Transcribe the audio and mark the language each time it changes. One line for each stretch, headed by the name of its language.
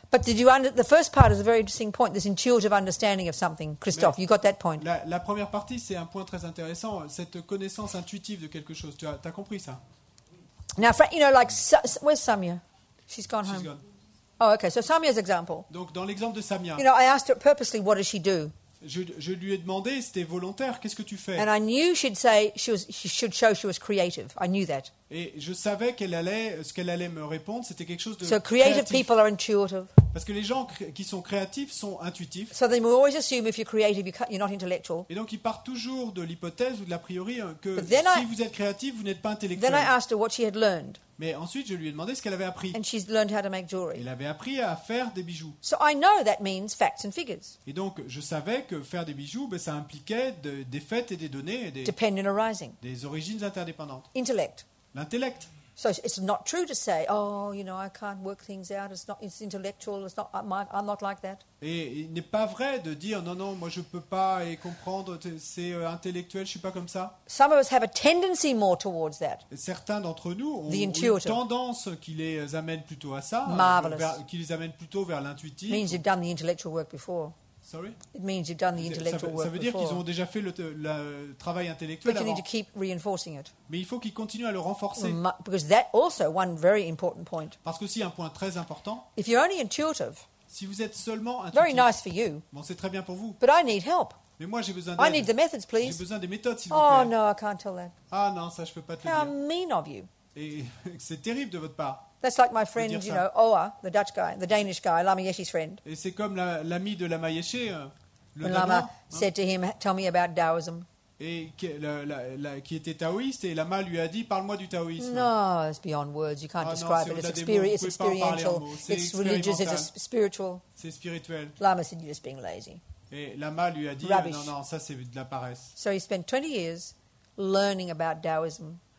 English: But did you the first part is a very interesting point, this intuitive understanding of something. Christophe,
French: mais
English: you got that point.
French: La première partie, c'est un point très intéressant, cette connaissance intuitive de quelque chose. Tu as compris ça?
English: Now, Frank, you know, like, where's Samia? She's gone She's home. Gone. Oh, okay. So Samia's example.
French: Donc, dans l'exemple de Samia.
English: You know, I asked her purposely, what does she do?
French: Je lui ai demandé, c'était volontaire, qu'est-ce que tu fais?
English: And I knew she'd say she should show she was creative. I knew that.
French: Et je savais ce qu'elle allait me répondre, c'était quelque chose de
English: so creative
French: créatif.
English: People are intuitive.
French: Parce que les gens qui sont créatifs sont intuitifs.
English: So they always assume if you're creative, you're not intellectual.
French: Et donc ils partent toujours de l'hypothèse ou de l'a priori que si vous êtes créatif, vous n'êtes pas intellectuel.
English: Then I asked her what she had learned.
French: Mais ensuite, je lui ai demandé ce qu'elle avait appris.
English: And she's learned how to make jewelry.
French: Elle avait appris à faire des bijoux.
English: So I know that means facts and figures.
French: Et donc, je savais que faire des bijoux, ben, ça impliquait des faits et des données, et
English: dependent arising.
French: Des origines interdépendantes.
English: Intellect.
French: L'intellect.
English: So it's not true to say, oh, you know, I can't work things out. It's intellectual. It's not. I'm not like that.
French: Et il n'est pas vrai de dire, non, moi je peux pas et comprendre. C'est intellectuel. Je suis pas comme ça.
English: Some of us have a tendency more towards that.
French: Certains d'entre nous ont une tendance qui les amène plutôt à ça.
English: Marvelous.
French: Qui les amène plutôt vers l'intuitif.
English: Means you've done the intellectual work before. Sorry. It means you've done the intellectual work before.
French: Ça veut dire qu'ils ont déjà fait le travail intellectuel avant.
English: But you need to keep reinforcing it.
French: Mais il faut qu'ils continuent à le renforcer.
English: Because that also one very important point.
French: Parce que aussi un point très important.
English: If you're only intuitive.
French: Si vous êtes seulement intuitif.
English: Very nice for you.
French: Bon, c'est très bien pour vous.
English: But I need help.
French: Mais moi j'ai besoin d'aide.
English: I need the methods, please.
French: J'ai besoin des méthodes, s'il vous plaît.
English: Oh no, I can't tell that.
French: Ah non, ça je peux pas te le dire.
English: How mean of you.
French: Et c'est terrible de votre part.
English: That's like my friend, you know, Oa, the Dutch guy, the Danish guy, Lama Yeshe's friend.
French: Et c'est comme l'ami de Lama Yeshe, le Lama.
English: Lama said to him, "Tell me about Taoism."
French: Et qui était taoïste, et Lama lui a dit, "Parle-moi du taoïsme."
English: No, it's beyond words. You can't describe
French: non,
English: it. It's experiential. It's religious. It's spiritual.
French: C'est spirituel.
English: Lama said, "You're just being lazy."
French: Et Lama lui a dit,
English: "Rubbish.
French: Non, ça c'est de la paresse."
English: So he spent 20 years learning about Taoism.